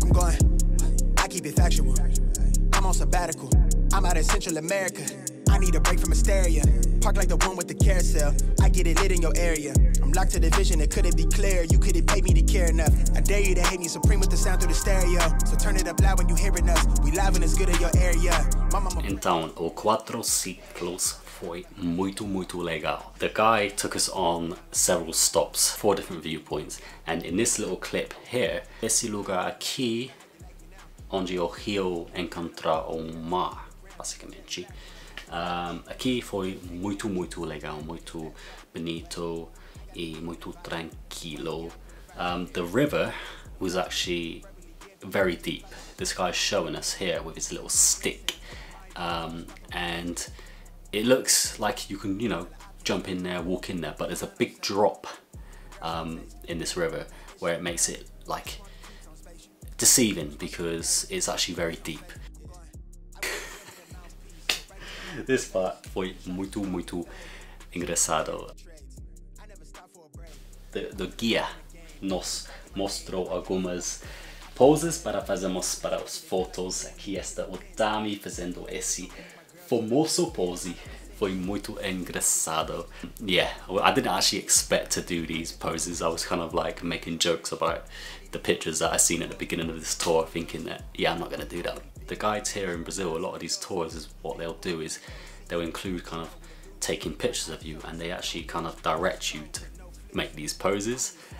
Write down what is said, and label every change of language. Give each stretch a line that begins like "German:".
English: I'm going, I keep it factual, I'm on sabbatical, I'm out in Central America, I need a break from hysteria, park like the one with the carousel, I get it lit in your area, I'm locked to the vision, it couldn't be clear, you couldn't pay me to care enough, I dare you to hate me, supreme with the sound through the stereo, so turn it up loud when you hearing us, we live in as good as your area.
Portuguese: Então, o quatro ciclos foi muito, muito legal.
English: The guy took us on several stops, four different viewpoints, and in this little clip here,
Portuguese: esse lugar aqui, onde o rio encontra o mar, basicamente. Aqui foi muito, muito legal, muito bonito e muito tranquilo.
English: The river was actually very deep. This guy is showing us here with his little stick. And it looks like you can, you know, jump in there, walk in there, but there's a big drop in this river where it makes it like deceiving because it's actually very deep. This part
Portuguese: foi muito, muito engraçado. The guia nos mostrou algumas poses para fazermos para os fotos. Aqui está o Dami fazendo esse famoso pose. Foi muito engraçado.
English: Yeah, I didn't actually expect to do these poses. I was kind of like making jokes about the pictures that I seen at the beginning of this tour, thinking that, yeah, I'm not gonna do that. The guides here in Brazil, a lot of these tours, is what they'll do is they'll include kind of taking pictures of you, and they actually kind of direct you to make these poses.